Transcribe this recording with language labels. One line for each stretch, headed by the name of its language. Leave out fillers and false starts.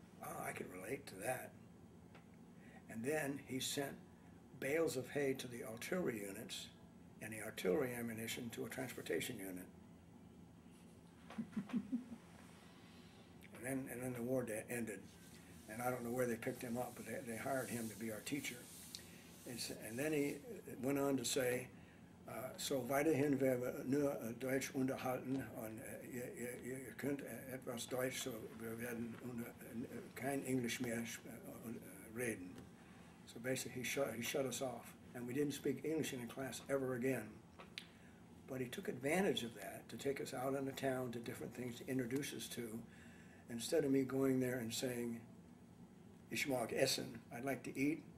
English: Oh, I could relate to that. And then he sent bales of hay to the artillery units and the artillery ammunition to a transportation unit. and then the war ended. And I don't know where they picked him up, but they hired him to be our teacher. And then he went on to say,
German: so weiterhin wir nur Deutsch unterhalten und ihr könnt etwas Deutsch, so wir werden kein Englisch mehr reden.
English: So basically he shut us off, and we didn't speak English in class ever again. But he took advantage of that to take us out in the town to different things to introduce us to. Instead of me going there and saying,
German: ich mag essen,
English: I'd like to eat.